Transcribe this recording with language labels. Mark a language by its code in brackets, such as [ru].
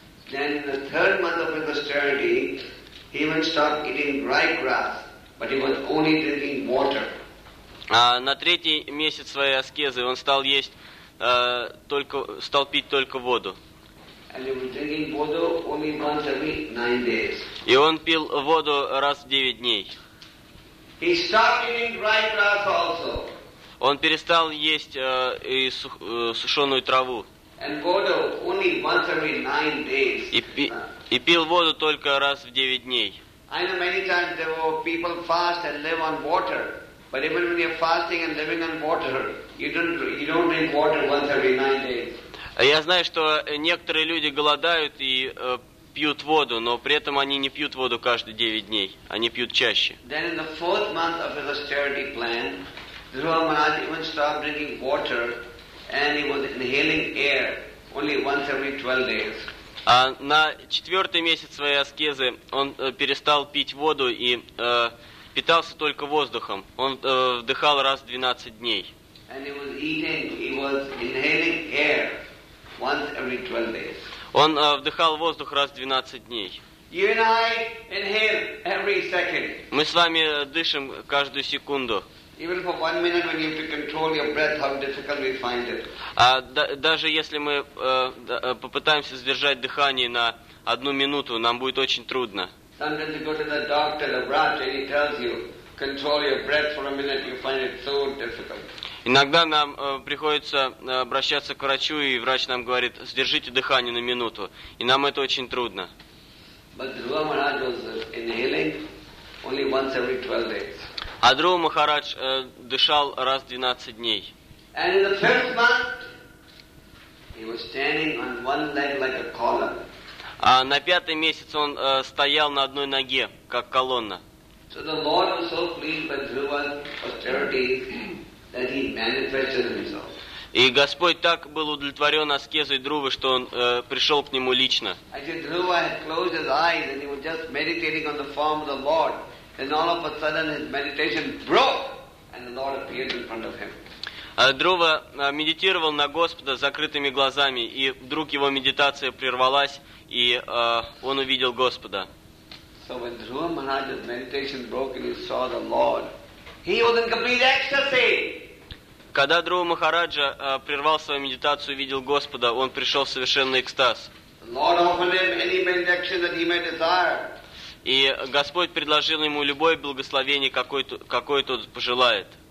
[en] Then in the third month of his austerity, he even stopped eating dry grass. But he was only drinking water. [ru] А на третий месяц своей аскезы он стал есть, только стал пить только воду. [en] And he was drinking water only once every 9 days. [ru] И он пил воду раз в 9 дней. [en] He stopped eating dry grass also. [ru] Он перестал есть и сушеную траву. [en] And water only once every 9 days. [ru] И пил воду только раз в 9 дней. [en] I know many times there were people fast and live on water. But even when you're fasting and living on water, you don't drink water once every 9 days. [ru] Я знаю, что некоторые люди голодают и пьют воду, но при этом они не пьют воду каждые 9 дней. Они пьют чаще. [en] Then in the fourth month of his austerity plan, Dhruva Maharaj even stopped drinking water and he was inhaling air only once every 12 days. [ru] А на 4-й месяц своей аскезы он перестал пить воду и питался только воздухом. Он вдыхал раз в 12 дней. [en] And he was eating, he was inhaling air once every 12 days. [ru] Он вдыхал воздух раз в 12 дней. [en] You and I inhale every second. [ru] Мы с вами дышим каждую секунду. [en] Even for 1 minute when you have to control your breath, how difficult we find it. [ru] Даже если мы попытаемся сдержать дыхание на 1 минуту, нам будет очень трудно. [en] Sometimes you go to the doctor, the rat, and he tells you, control your breath for a minute, you find it so difficult. [ru] Иногда нам приходится обращаться к врачу, и врач нам говорит, сдержите дыхание на минуту, и нам это очень трудно. [en] But Dhruva Maharaj was inhaling only once every 12 days. [ru] А Дхрува Махарадж дышал раз 12 дней. [en] And in the fifth month, he was standing on one leg like a column. [ru] А на 5-й месяц он стоял на одной ноге, как колонна. [en] So the Lord was so pleased by Dhruva's austerity that he manifested himself. [ru] И Господь так был удовлетворен аскезой Друвы, что он пришел к нему лично. [en] Actually, Dhruva had closed his eyes and he was just meditating on the form of the Lord. Then all of a sudden his meditation broke and the Lord appeared in front of him. [ru] Друва медитировал на Господа с закрытыми глазами, и вдруг его медитация прервалась, и он увидел Господа. [en] So when Dhruva Maharaj's meditation broke and he saw the Lord, he was in complete ecstasy. [ru] Когда Друва Махараджа прервал свою медитацию и увидел Господа, он пришел в совершенный экстаз. [en] The Lord offered him any benediction that he may desire. [ru] И Господь предложил ему любое благословение, какое тот пожелает.